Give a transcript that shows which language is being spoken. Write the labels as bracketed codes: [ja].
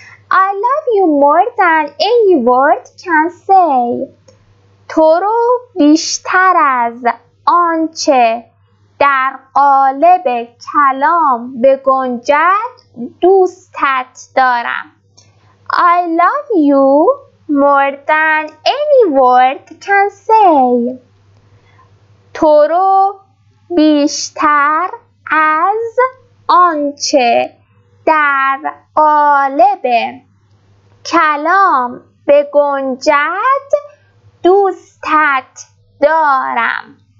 [en] I love you more than any word can say. [fa] تو رو بیشتر از آنچه در قالب کلام بگنجد دوستت دارم. [en] I love you more than any word can say. [fa] تو رو بیشتر از آنچه در قالب کلام بگنجد دوستت دارم.